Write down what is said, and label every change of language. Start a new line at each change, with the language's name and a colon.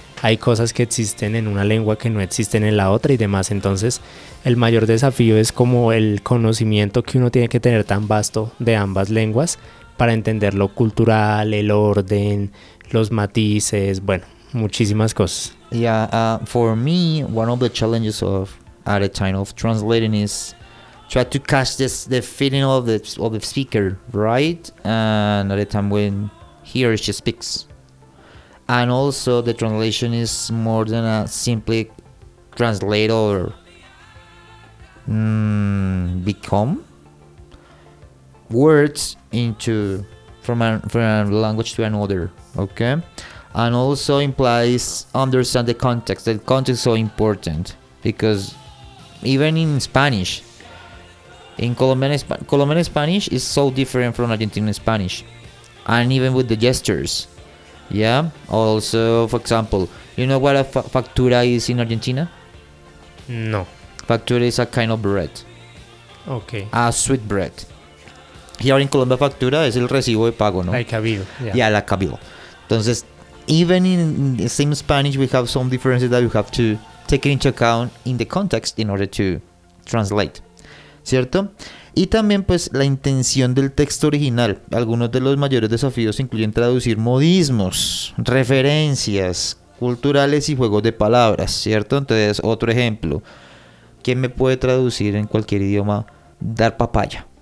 Spanish: Hay cosas que existen en una lengua que no existen en la otra y demás. Entonces, el mayor desafío es como el conocimiento que uno tiene que tener tan vasto de ambas lenguas para entender lo cultural, el orden, los matices, bueno, muchísimas cosas.
English: Yeah, for me, one of the challenges of at a time of translating is try to catch the feeling of the speaker, right? And at a time when he or she speaks. And also the translation is more than a simply translate or become words into from a language to another, okay? And also implies understand the context. The context is so important, because even in Spanish, in Colombian Spanish is so different from Argentinian Spanish, and even with the gestures. Yeah, also, for example, you know what a factura is in Argentina? No. Factura is a kind of bread. Okay. A sweet bread. Here in Colombia,
Spanish: factura es el recibo de pago, ¿no?
English: Like a bill. Yeah, yeah, like a bill.
Spanish: Entonces,
English: even in the same Spanish, we have some differences that you have to take into account in the context in order to translate.
Spanish: ¿Cierto? Y también, pues, la intención del texto original. Algunos de los mayores desafíos incluyen traducir modismos, referencias culturales y juegos de palabras, ¿cierto? Entonces, otro ejemplo. ¿Quién me puede traducir en cualquier idioma dar papaya?